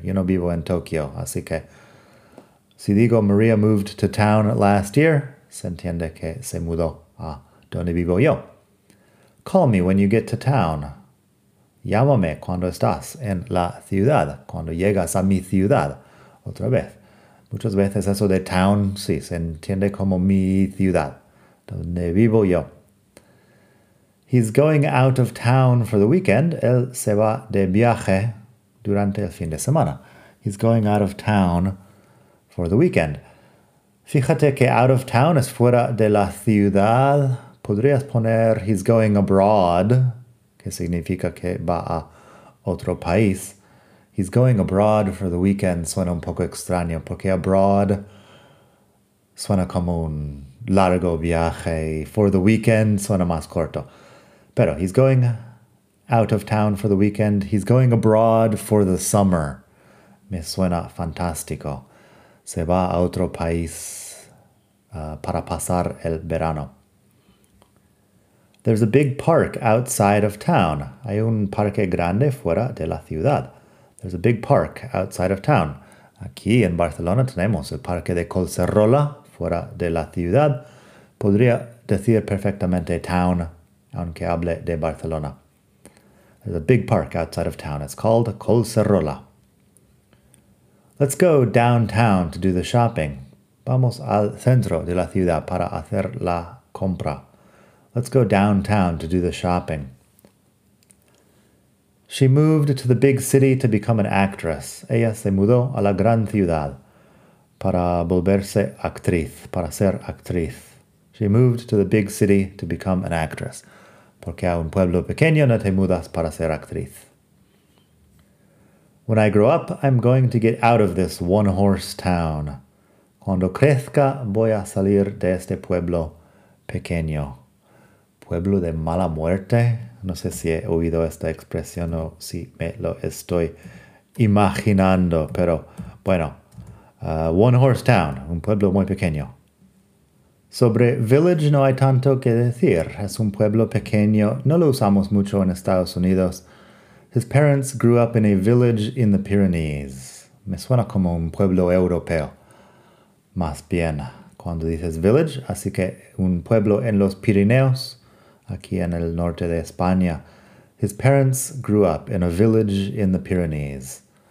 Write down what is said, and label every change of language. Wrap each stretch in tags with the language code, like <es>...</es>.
<es>Yo no vivo en Tokyo, así que si digo</es> <en>Maria moved to town last year,</en> <es>se entiende que se mudó a donde vivo yo.</es> <en>Call me when you get to town.</en> <es>Llámame cuando estás en la ciudad, cuando llegas a mi ciudad. Otra vez. Muchas veces eso de town, sí, se entiende como mi ciudad, donde vivo yo.</es> <en>He's going out of town for the weekend.</en> <es>Él se va de viaje durante el fin de semana.</es> <en>He's going out of town for the weekend.</en> <es>Fíjate que</es> <en>out of town</en> <es>es fuera de la ciudad. Podrías poner</es> <en>he's going abroad,</en> <es>que significa que va a otro país.</es> <en>He's going abroad for the weekend</en> <es>suena un poco extraño, porque</es> <en>abroad</en> <es>suena como un largo viaje.</es> <en>For the weekend,</en> <es>suena más corto. Pero</es> <en>he's going out of town for the weekend. He's going abroad for the summer.</en> <es>Me suena fantástico. Se va a otro país para pasar el verano.</es> <en>There's a big park outside of town.</en> <es>Hay un parque grande fuera de la ciudad.</es> <en>There's a big park outside of town.</en> <es>Aquí en Barcelona tenemos el parque de Collserola fuera de la ciudad. Podría decir perfectamente town, aunque hable de Barcelona.</es> <en>There's a big park outside of town. It's called Collserola. Let's go downtown to do the shopping.</en> <es>Vamos al centro de la ciudad para hacer la compra.</es> <en>Let's go downtown to do the shopping. She moved to the big city to become an actress.</en> <es>Ella se mudó a la gran ciudad para volverse actriz, para ser actriz.</es> <en>She moved to the big city to become an actress.</en> <es>Porque a un pueblo pequeño no te mudas para ser actriz.</es> <en>When I grow up, I'm going to get out of this one-horse town.</en> <es>Cuando crezca, voy a salir de este pueblo pequeño. Pueblo de mala muerte. No sé si he oído esta expresión o si me lo estoy imaginando, pero bueno.</es> <en>One horse town,</en> <es>un pueblo muy pequeño. Sobre village no hay tanto que decir. Es un pueblo pequeño. No lo usamos mucho en Estados Unidos.</es> <en>His parents grew up in a village in the Pyrenees.</en> <es>Me suena como un pueblo europeo. Más bien, cuando dices village, así que un pueblo en los Pirineos, aquí en el norte de España.</es> <en>His parents grew up in a village in the Pyrenees.</en>